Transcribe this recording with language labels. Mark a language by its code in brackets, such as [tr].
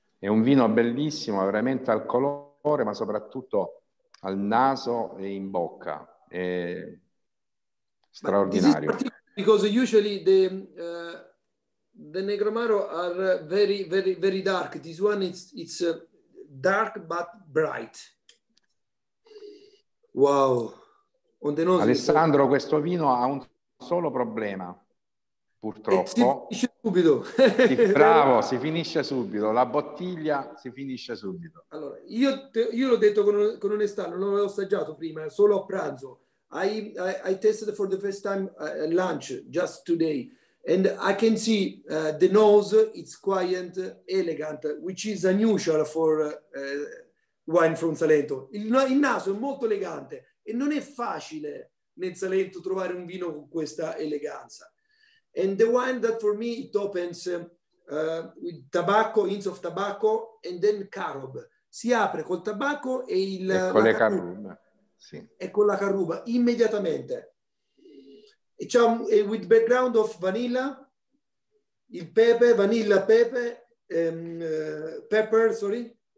[it] È un vino bellissimo, veramente al colore, ma soprattutto al naso e in bocca. È straordinario. [en] Because usually the Negramaro are very, very, very dark. This one is dark but bright. Wow. On the nose, [it] Alessandro, questo vino ha un solo problema. Purtroppo si finisce subito. Bravo, si finisce subito. La bottiglia si finisce subito. Allora, io l'ho detto con onestà, non l'avevo assaggiato prima, solo a pranzo. [en] I tested for the first time lunch, just today. And I can see the nose, it's quiet, elegant, which is unusual for wine from Salento. [it] Il naso è molto elegante e non è facile nel Salento trovare un vino con questa eleganza. [en] And the wine that for me it opens with tobacco, hints of tobacco, and then carob. [it] Si apre col tabacco e il e con la carruba. Sì. E con la carruba immediatamente. E c'è [en] with background of vanilla, [it] il pepe, vanilla pepe, [en] pepper, sorry.